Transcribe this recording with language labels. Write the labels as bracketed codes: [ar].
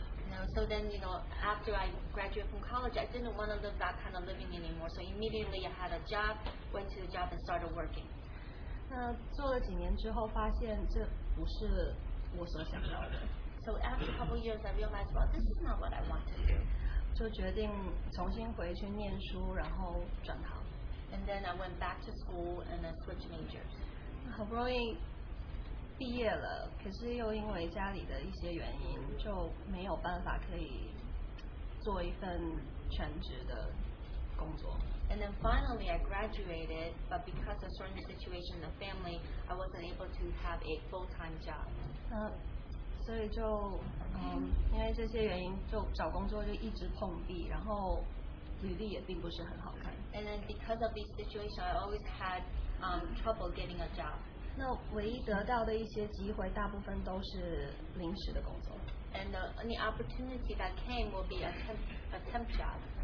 [en] Now, so then, you know, after I graduated from college, I didn't want to live that kind of living anymore. So immediately I had a job, went to the job and started working. [zh] 那做了几年之后发现这 [en] So after a couple of years, I realized, well, this is not what I want to do. [zh] 就决定重新回去念书, 然后转行。 [en] And then I went back to school and then switched majors. [zh] 好不容易毕业了, 可是又因为家里的一些原因, 就没有办法可以做一份全职的工作。 [en] And then finally I graduated, but because of certain situation in the family, I wasn't able to have a full-time job. [zh] 所以就因为这些原因就找工作就一直碰壁, 然后履历也并不是很好看。 [en] And then because of these situations, I always had trouble getting a job. [zh] 那唯一得到的一些机会大部分都是临时的工作。 [en] And the opportunity that came will be a temp job.